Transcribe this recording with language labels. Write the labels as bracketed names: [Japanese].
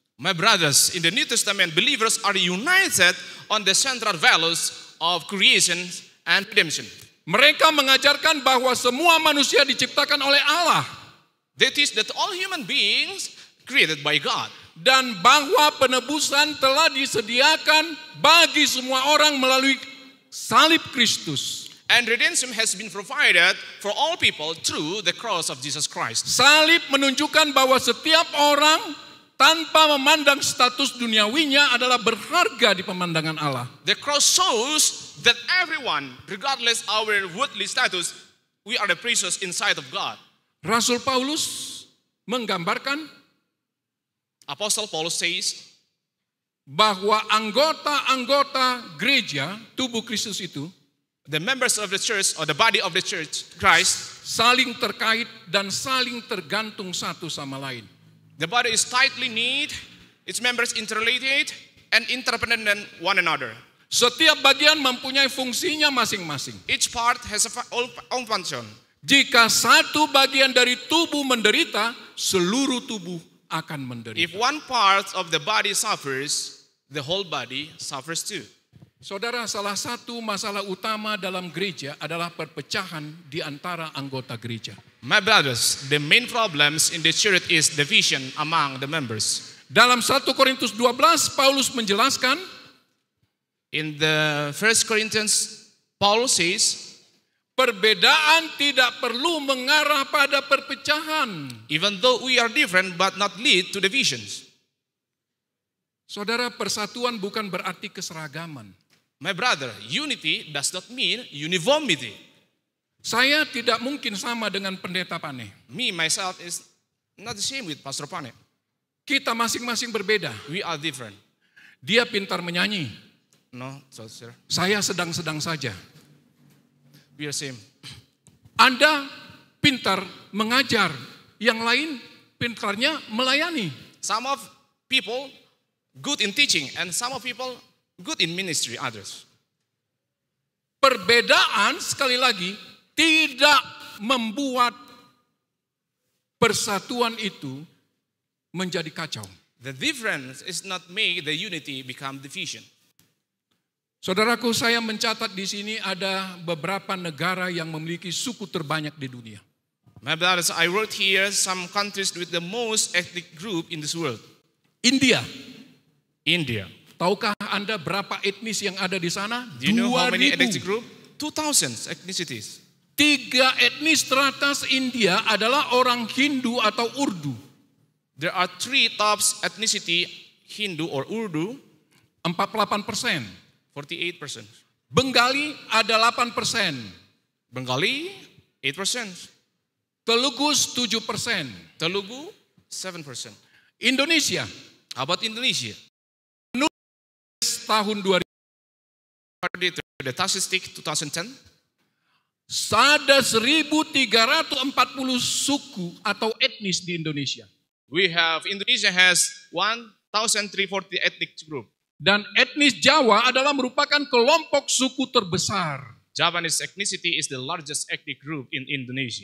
[English] My brothers, in the New Testament, believers are united on the central values of creation and redemption. [Indonesian] Mereka mengajarkan bahwa semua manusia diciptakan oleh Allah. [English] That is that all human beings created by God. [Indonesian] Dan bahwa penebusan telah disediakan bagi semua orang melalui salib Kristus. [English] And redemption has been provided for all people through the cross of Jesus Christ. [Indonesian] Salib menunjukkan bahwa setiap orang tanpa memandang status duniawinya adalah berharga di pemandangan Allah. [English] The cross shows that everyone, regardless our worldly status, we are the precious in sight of God. [Indonesian] Rasul Paulus menggambarkan, [English] Apostle Paulus says, [Indonesian] bahwa anggota-anggota gereja, tubuh Kristus itu, [English] the members of the church or the body of the church, Christ, [Indonesian] saling terkait dan saling tergantung satu sama lain. [English] The body is tightly knit, its members interrelated and interdependent one another. [Indonesian] Setiap bagian mempunyai fungsinya masing-masing. [English] Each part has a own function. [Indonesian] Jika satu bagian dari tubuh menderita, seluruh tubuh akan menderita. [English] If one part of the body suffers, the whole body suffers too. [Indonesian] Saudara, salah satu masalah utama dalam gereja adalah perpecahan di antara anggota gereja. [English] My brothers, the main problems in the church is division among the members. [Indonesian] Dalam 1 Korintus 12, Paulus menjelaskan, [English] in the 1 Corinthians, Paul says, [Indonesian] perbedaan tidak perlu mengarah pada perpecahan. [English] Even though we are different, but not lead to divisions. [Indonesian] Saudara, persatuan bukan berarti keseragaman. [English] My brother, unity does not mean uniformity. [Indonesian] Saya tidak mungkin sama dengan Pendeta Pane. [English] Me, myself, is not the same with Pastor Pane. [Indonesian] Kita masing-masing berbeda. [English] We are different. [Indonesian] Dia pintar menyanyi. [English] No, sir. [Indonesian] Saya sedang-sedang saja. [English] be the same. [Indonesian] Anda pintar mengajar, yang lain pintarnya melayani. [English] Some of people good in teaching and some of people good in ministry others. [Indonesian] Perbedaan sekali lagi tidak membuat persatuan itu menjadi kacau. [English] The difference is not make the unity become division. [Indonesian] Saudaraku, saya mencatat di sini ada beberapa negara yang memiliki suku terbanyak di dunia. [English] My brothers, I wrote here some countries with the most ethnic group in this world. [Indonesian] India. [English] India. [Indonesian] Tahukah Anda berapa etnis yang ada di sana? [English] Do you know how many ethnic group? 2000 ethnicities. [Indonesian] Tiga etnis teratas India adalah orang Hindu atau Urdu. [English] There are three tops ethnicity, Hindu or Urdu. [Indonesian] 48%. [English] 48%. [Indonesian] Bengali ada 8%. [English] Bengali 8%. [Indonesian] Telugu 7%. [English] Telugu 7%. [Indonesian] Indonesia. [English] How about Indonesia? [Indonesian] Menurut tahun [English] 2000, the statistic 2010. [Indonesian] Ada 1340 suku atau etnis di Indonesia. [English] Indonesia has 1340 ethnic group. [Indonesian] Dan etnis Jawa adalah merupakan kelompok suku terbesar. [English] Javanese ethnicity is the largest ethnic group in Indonesia.